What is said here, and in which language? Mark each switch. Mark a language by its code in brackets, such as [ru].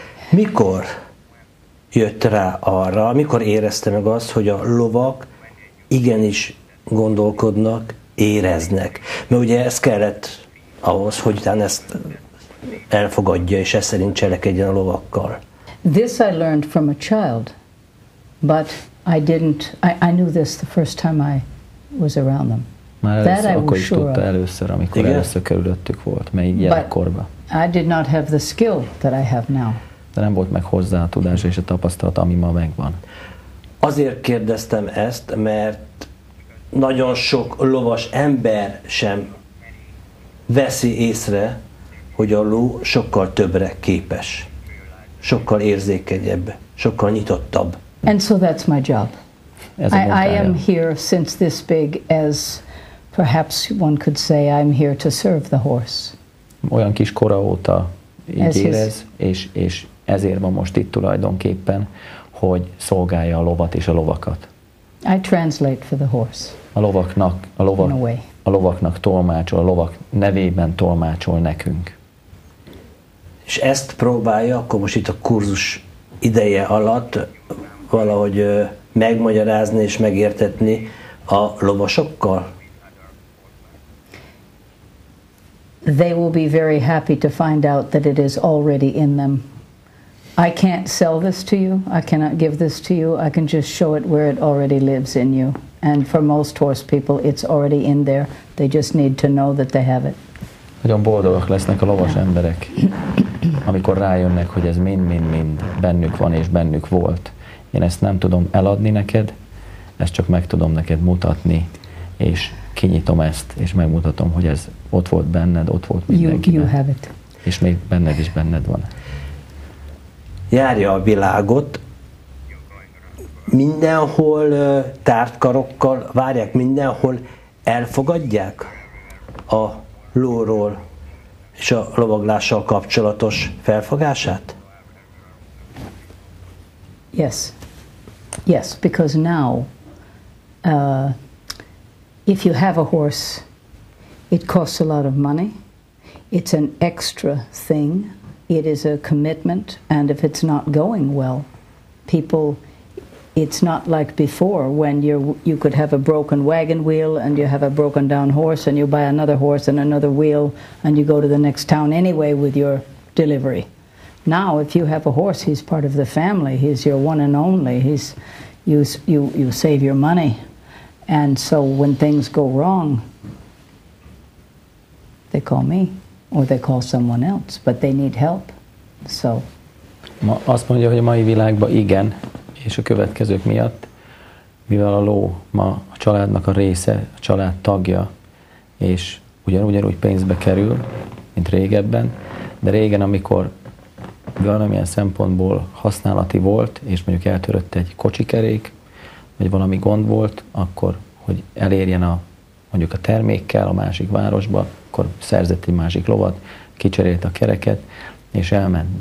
[hu] Mikor jött rá arra, amikor érezte meg azt, hogy a lovak igenis gondolkodnak, éreznek? Mert ugye ez kellett ahhoz, hogy utána ezt elfogadja, és ez szerint cselekedjen a lovakkal. [en] This I learned from a child, but I didn't, I knew this the first time I was around them. [hu] Már ez akkor is tudta először, amikor először körülöttük volt, melyik gyerekkorban. [en] I did not have the skill that I have now. [hu] De nem volt meg hozzá a tudás és a tapasztalat, ami ma megvan. Azért kérdeztem ezt, mert nagyon sok lovas ember sem veszi észre, hogy a ló sokkal többre képes, sokkal érzékenyebb, sokkal nyitottabb. [en] And so that's my job. I am here since this big as perhaps one could say I'm here to serve the horse. [hu] Olyan kis kora óta így érez, és ezért van most itt tulajdonképpen, hogy szolgálja a lovat és a lovakat. [en] I translate for the horse. [hu] A lovaknak tolmácsol, a lovak nevében tolmácsol nekünk. És ezt próbálja, akkor most itt a kurzus ideje alatt valahogy megmagyarázni és megértetni a lovasokkal? [en] They will be very happy to find out that it is already in them. I can't sell this to you, I cannot give this to you, I can just show it where it already lives in you. And for most horse people, it's already in there, they just need to know that they have it. [hu] Nagyon boldogok lesznek a lovas emberek, amikor rájönnek, hogy ez mind bennük van és bennük volt. Én ezt nem tudom eladni neked, ezt csak meg tudom neked mutatni, és kinyitom ezt, és megmutatom, hogy ez ott volt benned, ott volt mindenkinek. [en] You have it. [hu] És még benned is benned van. Járja a világot, mindenhol tárt karokkal várják, mindenhol elfogadják a lóról és a lovaglással kapcsolatos felfogását? [en] Yes. Yes, because now if you have a horse, it costs a lot of money. It's an extra thing. It is a commitment, and if it's not going well, people, it's not like before when you could have a broken wagon wheel and you have a broken down horse and you buy another horse and another wheel and you go to the next town anyway with your delivery. Now, if you have a horse, he's part of the family. He's your one and only. You save your money. And so when things go wrong, they call me. Or they call someone else, but they need help. So. [hu] Ma azt mondja, hogy a mai világban igen, és a következők miatt, mivel a ló ma a családnak a része, a család tagja, és ugyanúgy pénzbe kerül, mint régebben, de régen, amikor valamilyen szempontból használati volt, és mondjuk eltörött egy kocsikerék, vagy valami gond volt, akkor, hogy elérjen a mondjuk a termékkel a másik városba, akkor szerzett egy másik lovat, kicserélt a kereket, és elment.